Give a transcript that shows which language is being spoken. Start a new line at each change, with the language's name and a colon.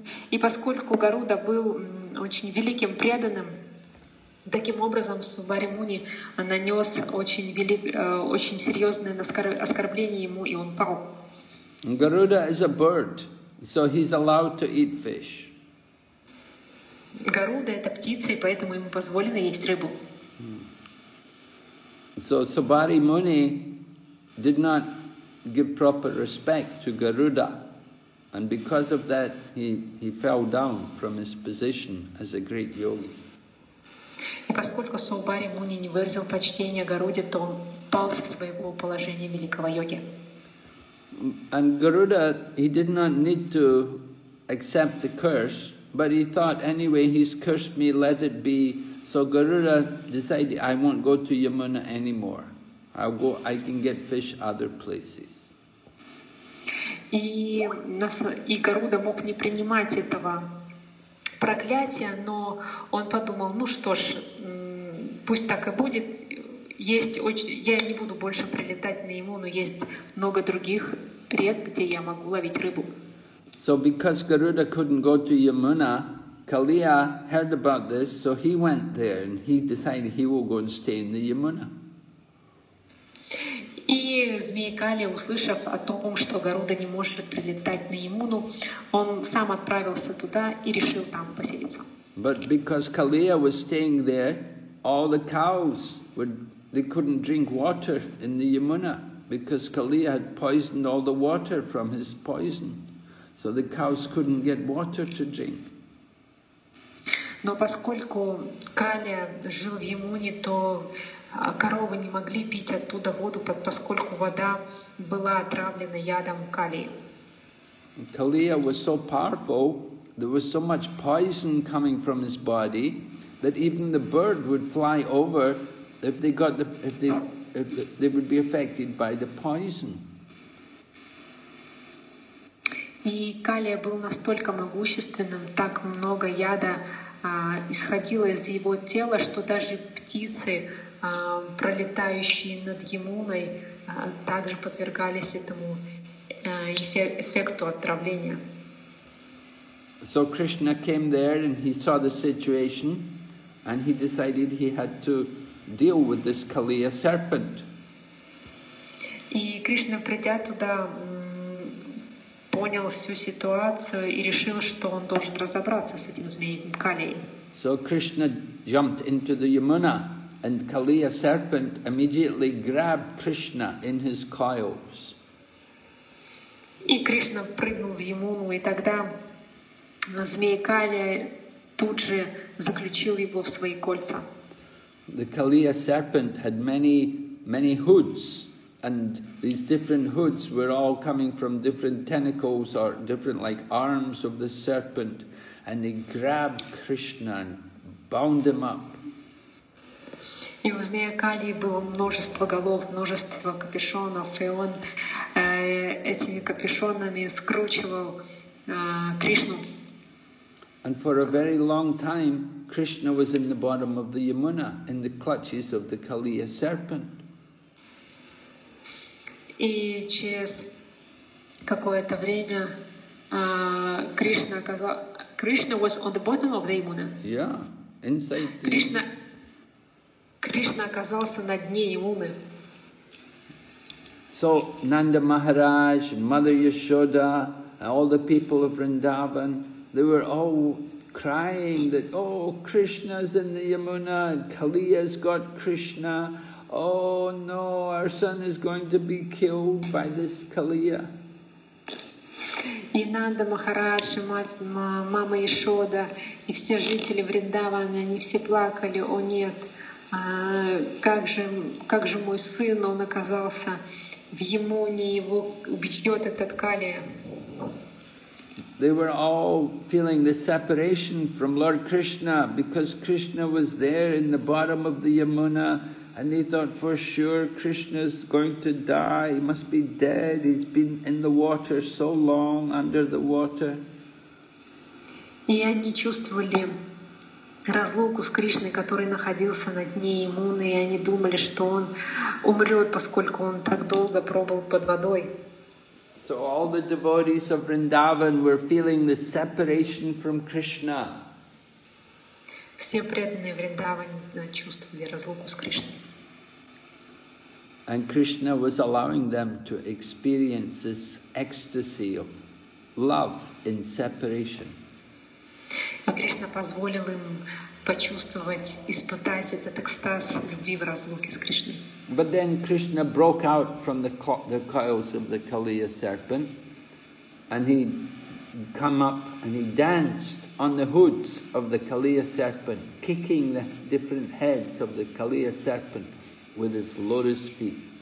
Russian: И поскольку Гаруда был очень великим преданным, таким образом Субари Муни нанес очень серьезное оскорбление ему, и он пал.
English: Garuda is a bird, so he's allowed to eat fish.
Russian: Гаруда это птица, и поэтому ему позволено есть рыбу.
English: So Subari Muni did not give proper respect to Garuda, and because of that he fell down from his position as a great yogi.
Russian: И поскольку Субари Муни не выразил почтения Гаруде, то он пал со своего положения великого йоги.
English: And Garuda, he did not need to accept the curse, but he thought, anyway, he's cursed me, let it be. So Garuda decided, I won't go to Yamuna anymore. I can get fish other places.
Russian: И Гаруда мог не принимать этого проклятия, но он подумал, ну что ж, пусть так и будет, я не буду больше прилетать на Ямуну, но есть много других рек, где я могу ловить рыбу.
English: So because Garuda couldn't go to Yamuna, Kaliya heard about this, so he went there and he decided he will go and stay in the Yamuna.
Russian: И змей Калия, услышав о том, что Гаруда не может прилетать на Ямуну, он сам отправился туда и решил там поселиться.
English: But because Kaliya was staying there, all the cows they couldn't drink water in the Yamuna, because Kaliya had poisoned all the water from his poison. So the cows couldn't get water to drink.
Russian: Но поскольку Калия жил в Ямуне, то коровы не могли пить оттуда воду, поскольку вода была отравлена ядом калия.
English: Kaliya was so powerful, there was so much poison coming from his body, that even the bird would fly over if they would be affected by the poison.
Russian: И калия был настолько могущественным, так много яда исходило из его тела, что даже птицы, пролетающие над Ямуной, также подвергались этому эффекту отравления.
English: So Krishna came there and he saw the situation and he decided he had to deal with this Kaliya serpent.
Russian: И Кришна, придя туда, понял всю ситуацию и решил, что он должен разобраться с этим змеем Калией.
English: So Krishna jumped into the Yamuna and Kaliya serpent immediately grabbed Krishna in his coils.
Russian: И Кришна прыгнул в Ямуну, и тогда змей Калия тут же заключил его в свои кольца.
English: The Kaliya serpent had many hoods, and these different hoods were all coming from different tentacles or different like arms of the serpent, and they grabbed Krishna and bound him up.
Russian: И у змея Калии было множество голов, множество капюшонов, и он этими капюшонами скручивал Кришну.
English: And for a very long time, Krishna was in the bottom of the Yamuna, in the clutches of the Kaliya serpent.
Russian: И через какое-то время Кришна
English: was on the bottom of the Yamuna. Yeah, inside the Krishna.
Russian: Кришна оказался на дне Ямуны.
English: So Nanda Maharaj, Mother Yashoda, and all the people of Vrindavan, they were all crying that, oh, Krishna's in the Yamuna, Kaliya's got Krishna, oh no, our son is going to be killed by this Kaliya.
Russian: И Нанда Махарадж, мама Яшода, и все жители Вриндавана, они все плакали, о нет, как же мой сын, он оказался в Ямуне, его убьет этот Калия.
English: They were all feeling the separation from Lord Krishna because Krishna was there in the bottom of the Yamuna, and they thought for sure Krishna's going to die, he must be dead, he's been in the water so long, under the water.
Russian: И они чувствовали разлуку с Кришной, который находился на дне Ямуны, и они думали, что он умрет, поскольку он так долго пробыл под водой.
English: So all the devotees of Vrindavan were feeling the separation from Krishna.
Russian: Все преданные Вриндавана чувствовали разлуку с Кришной.
English: And Krishna was allowing them to experience this ecstasy of love in separation.
Russian: И Кришна позволил им почувствовать, испытать этот экстаз любви в разлуке с Кришной.
English: But then Krishna broke out from the coils of the Kaliya serpent and he came up and he danced on the hoods of the Kaliya serpent, kicking the different heads of the Kaliya serpent with his lotus feet.